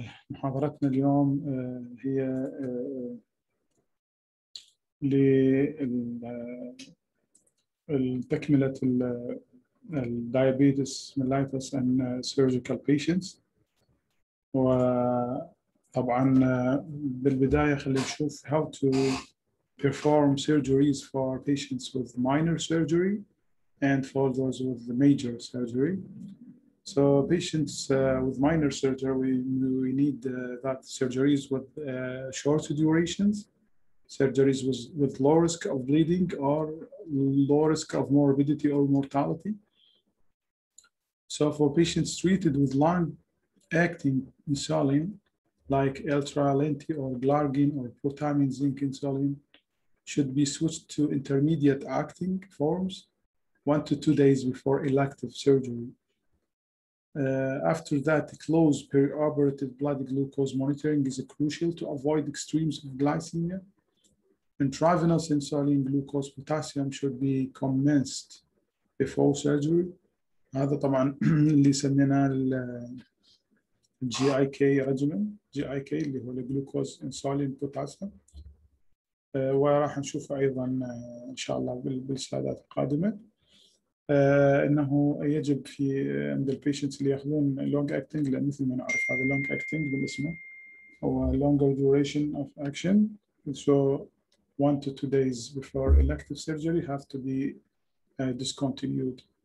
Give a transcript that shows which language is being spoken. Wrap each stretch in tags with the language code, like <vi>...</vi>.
<ar>محاضرتنا اليوم هي لتكملة الـ</ar> <en>Diabetes mellitus and surgical patients.</en> <ar>وطبعا بالبداية خلينا نشوف</ar> <en>how to perform surgeries for patients with minor surgery and for those with major surgery. So patients with minor surgery, we need that surgeries with short durations, surgeries with low risk of bleeding or low risk of morbidity or mortality. So for patients treated with long acting insulin, like ultralenti or glargine or protamine zinc insulin, should be switched to intermediate acting forms 1 to 2 days before elective surgery. After that, close perioperative blood glucose monitoring is crucial to avoid extremes of glycemia. Intravenous insulin glucose potassium should be commenced before surgery.</en> <ar>هذا طبعا اللي سمينا GIK regimen, GIK اللي هو</ar> <en>glucose insulin potassium.</en> <ar>وراح نشوف أيضا إن شاء الله بالسلايدات القادمة. انه يجب في عند</ar> <en>البيشنتس</en> <ar>اللي ياخذون</ar> <en>long acting</en> <ar>لان مثل ما نعرف هذا</ar> <en>long acting</en> <ar>بالاسم هو</ar> <en>longer duration of action so 1 to 2 days before elective surgery have to be discontinued</en>